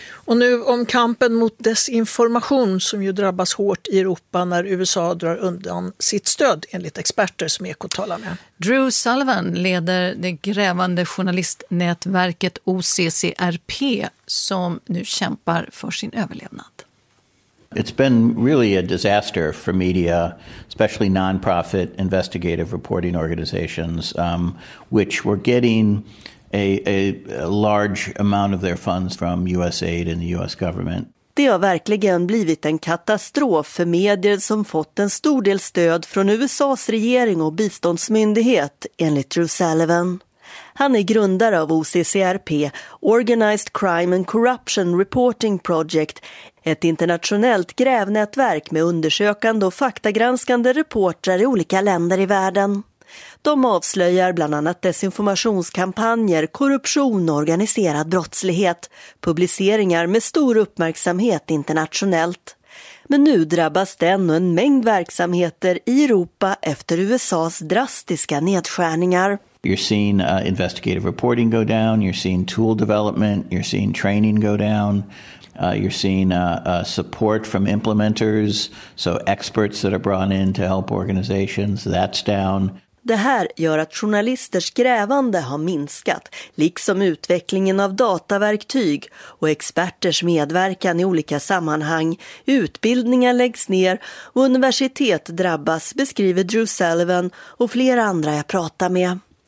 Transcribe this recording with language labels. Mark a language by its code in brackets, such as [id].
[sv] Och nu om kampen mot desinformation som ju drabbas hårt i Europa när USA drar undan sitt stöd enligt experter som Ekot talar med. Drew Sullivan leder det grävande journalistnätverket OCCRP som nu kämpar för sin överlevnad. [en] It's been really a disaster for media, especially non-profit investigative reporting organizations, which were getting a large amount of their funds from USAID and the US government. [sv] Det har verkligen blivit en katastrof för medier som fått en stor del stöd från USA:s regering och biståndsmyndighet, enligt Drew Sullivan. Han är grundare av OCCRP, Organized Crime and Corruption Reporting Project, ett internationellt grävnätverk med undersökande och faktagranskande reportrar i olika länder i världen. De avslöjar bland annat desinformationskampanjer, korruption och organiserad brottslighet, publiceringar med stor uppmärksamhet internationellt. Men nu drabbas den och en mängd verksamheter i Europa efter USA:s drastiska nedskärningar. [en] You're seeing investigative reporting go down, you're seeing tool development, you're seeing training go down. You're seeing support from implementers, so experts that are brought in to help organizations, that's down. [sv] Det här gör att journalisters grävande har minskat, liksom utvecklingen av dataverktyg och experters medverkan i olika sammanhang. Utbildningar läggs ner och universitet drabbas, beskriver Drew Sullivan och flera andra jag pratar med.